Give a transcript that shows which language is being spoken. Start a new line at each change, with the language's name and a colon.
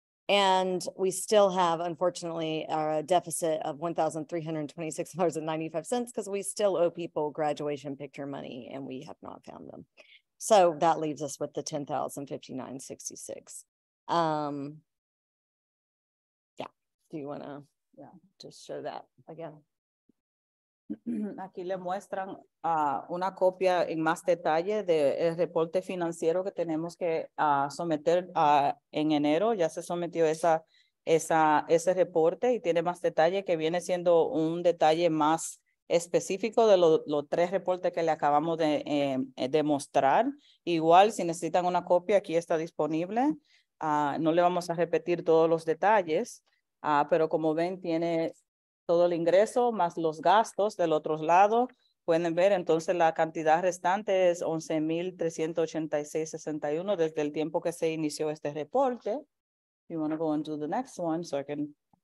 English: And we still have, unfortunately, a deficit of $1,326.95 because we still owe people graduation picture money and we have not found them. So that leaves us with the $10,059.66. Do you want to just show that again?
Spanish: Aquí le muestran una copia en más detalle del reporte financiero que tenemos que someter en enero. Ya se sometió ese reporte y tiene más detalle, que viene siendo un detalle más específico de los tres reportes que le acabamos de mostrar. Igual, si necesitan una copia, aquí está disponible. No le vamos a repetir todos los detalles, pero como ven, tiene todo el ingreso más los gastos del otro lado. Pueden ver, entonces, la cantidad restante es 11,386.61 desde el tiempo que se inició este reporte.
English: You want to go into the next one so I can...